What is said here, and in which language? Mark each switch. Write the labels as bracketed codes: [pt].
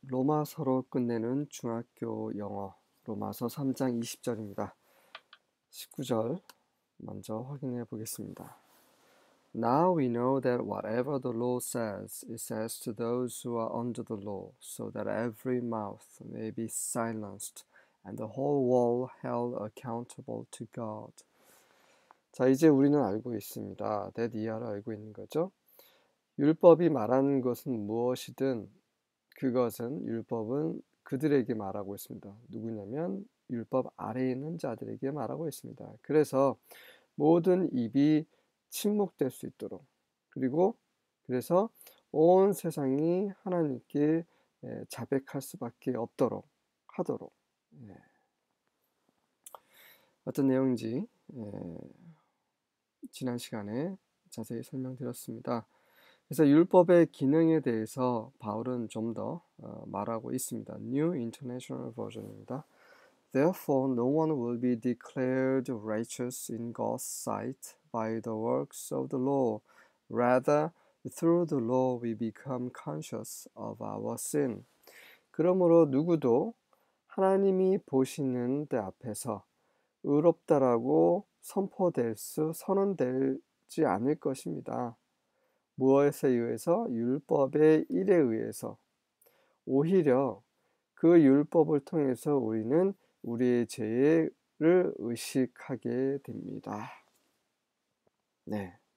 [ko] 로마서로 끝내는 중학교 영어 로마서 3장 20절입니다. 19절 먼저 확인해 보겠습니다. [en] Now we know that whatever the law says, it says to those who are under the law, so that every mouth may be silenced and the whole world held accountable to God. [ko] 자, 이제 우리는 알고 있습니다. That 이하로 알고 있는 거죠. 율법이 말하는 것은 무엇이든 그것은 율법은 그들에게 말하고 있습니다. 누구냐면 율법 아래에 있는 자들에게 말하고 있습니다. 그래서 모든 입이 침묵될 수 있도록 그리고 그래서 온 세상이 하나님께 자백할 수밖에 없도록 하도록 어떤 내용인지 지난 시간에 자세히 설명드렸습니다. 그래서 율법의 기능에 대해서 바울은 좀더 말하고 있습니다. [en] New International Version입니다. Therefore, no one will be declared righteous in God's sight by the works of the law. Rather, through the law we become conscious of our sin. [ko] 그러므로 누구도 하나님이 보시는 데 앞에서 의롭다라고 선포될 수, 선언되지 않을 것입니다. 무엇에 의해서? 율법의 일에 의해서. 오히려 그 율법을 통해서 우리는 우리의 죄를 의식하게 됩니다. 네.